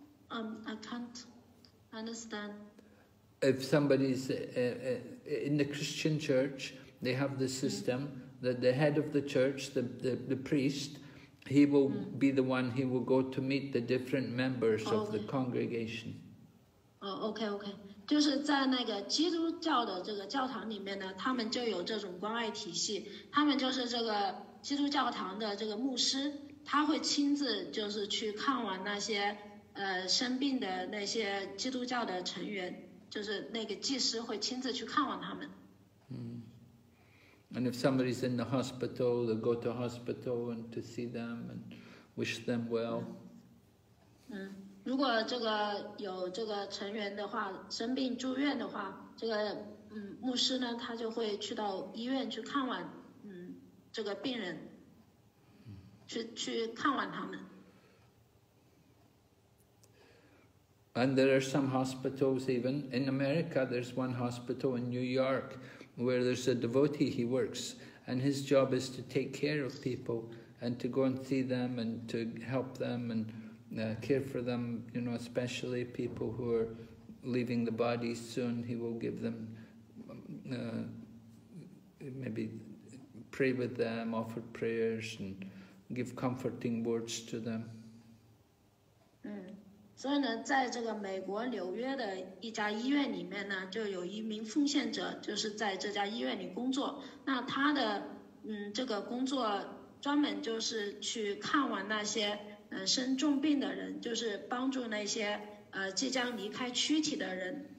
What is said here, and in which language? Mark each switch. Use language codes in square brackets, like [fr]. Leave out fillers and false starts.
[en] I can't understand. If somebody's in the Christian church, they have the system. That the head of the church, the priest, he will be the one, he will go to meet the different members of the congregation. Okay. [zh] 就是在那个基督教的这个教堂里面呢，他们就有这种关爱体系，他们就是这个基督教堂的这个牧师，他会亲自就是去看望那些生病的那些基督教的成员，就是那个祭司会亲自去看望他们。 [en] And if somebody's in the hospital, they go to hospital and to see them and wish them well. [zh] 如果这个有这个成员的话，生病住院的话，这个牧师呢，他就会去到医院去看望这个病人，去看望他们。 [en] And there are some hospitals even in America. There's one hospital in New York. Where there's a devotee, he works, and his job is to take care of people and to go and see them and to help them and care for them, you know, especially people who are leaving the body soon. He will give them, maybe pray with them, offer prayers, and give comforting words to them. [zh] 所以呢，在这个美国纽约的一家医院里面呢，就有一名奉献者，就是在这家医院里工作。那他的这个工作专门就是去看望那些生重病的人，就是帮助那些即将离开躯体的人。